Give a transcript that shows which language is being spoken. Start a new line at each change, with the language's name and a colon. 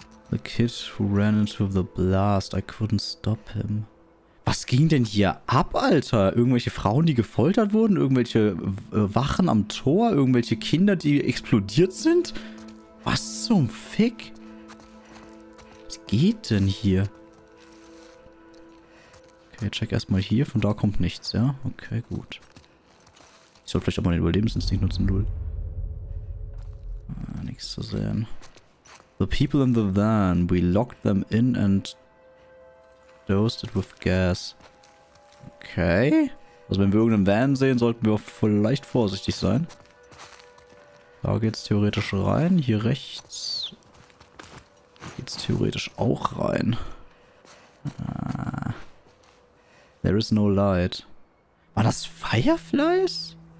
English: The kid who ran into the blast. I couldn't stop him.
German: Was ging denn hier ab, Alter? Irgendwelche Frauen, die gefoltert wurden? Irgendwelche Wachen am Tor? Irgendwelche Kinder, die explodiert sind? Was zum Fick? Was geht denn hier? Okay, check erstmal hier. Von da kommt nichts, ja? Okay, gut. Ich soll vielleicht auch mal den Überlebensinstinkt nutzen, Null. Nichts zu sehen.
English: The people in the van, we locked them in and dosed it with gas. Okay.
German: Also wenn wir irgendeinen Van sehen, sollten wir vielleicht vorsichtig sein. Da geht's theoretisch rein. Hier rechts geht's theoretisch auch rein.
English: There is no light.
German: War das Fireflies?